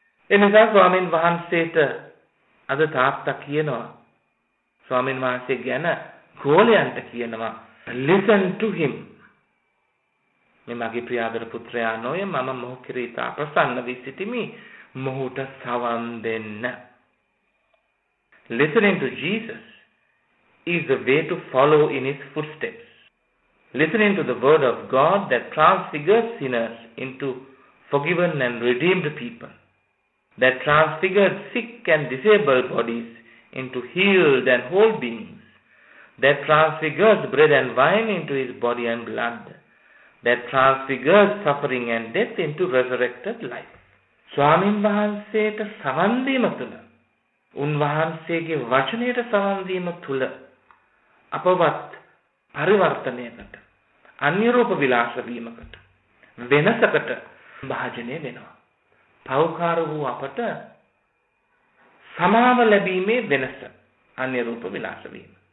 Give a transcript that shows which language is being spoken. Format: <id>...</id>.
<si>එනිසා ස්වාමීන් වහන්සේට අද තාත්තා කියනවා, ස්වාමීන් වහන්සේ ගැන ගෝලයන්ට කියනවා,</si> <en>listen to him.</en> <si>මේ මගේ ප්‍රියාදර පුත්‍රයා නොය, මම මොහු කෙරෙහි තා ප්‍රසන්න වී සිටිමි, මොහුට සවන් දෙන්න.</si> <en>Listening to Jesus is the way to follow in his footsteps. Listening to the word of God that transfigures sinners into forgiven and redeemed people, that transfigures sick and disabled bodies into healed and whole beings, that transfigures bread and wine into his body and blood, that transfigures suffering and death into resurrected life.</en> <si>ස්වාමීන් වහන්සේට සවන් දීම තුළ, උන්වහන්සේගේ වචනයට සවන් දීම තුළ අපවත් පරිවර්තනයකට, අනිරූප විලාස වීමකට, වෙනසකට භාජනය වෙනවා. පෞකාර වූ අපට සමාව ලැබීමේ වෙනස අනිරූප විලාස වීම.</si>